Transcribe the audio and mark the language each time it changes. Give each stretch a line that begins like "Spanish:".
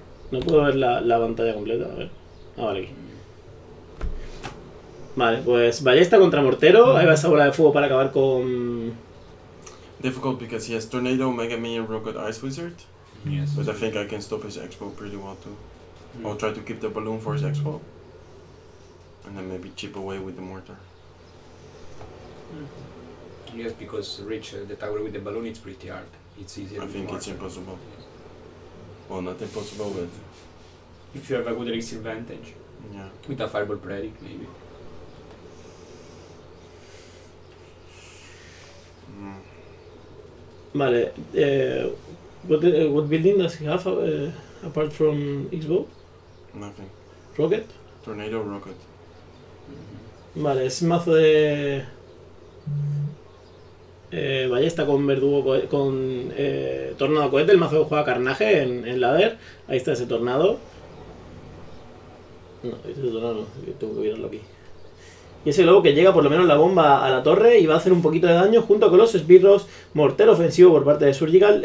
Spanish: No puedo ver la pantalla completa, a ver. Ah, vale, aquí. Vale, pues ballesta contra mortero, ahí va esa bola de fuego para acabar con...
English: Difficult because he has Tornado, Mega Minion, Rogue God, Ice Wizard. Yes. But I think I can stop his expo pretty well too. Mm. I'll try to keep the balloon for his expo. And then maybe chip away with the mortar. Mm. Yes, because reach the tower with the balloon, it's pretty hard. It's easier. I think it's impossible. Well, not impossible, but... If you have a good elixir advantage. Yeah. With a fireball predict, maybe. Mm. Vale, what building does he have apart from X-Bow? Nothing. Rocket? Tornado Rocket. Mm-hmm.
Spanish: Vale, es mazo de ballesta con verdugo con tornado cohete, el mazo que juega Carnaje en ladder. Ahí está ese tornado. No, ese tornado, tengo que mirarlo aquí. Y ese globo que llega por lo menos la bomba a la torre y va a hacer un poquito de daño junto con los esbirros mortero ofensivo por parte de Surgical.